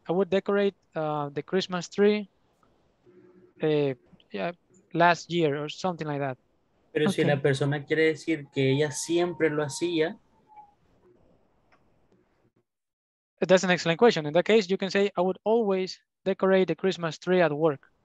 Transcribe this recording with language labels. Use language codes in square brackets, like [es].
[en] I would decorate the Christmas tree last year or something like that. [es] Pero okay. Si la persona quiere decir que ella siempre lo hacía... [en] That's an excellent question. In that case, you can say, I would always decorate the Christmas tree at work.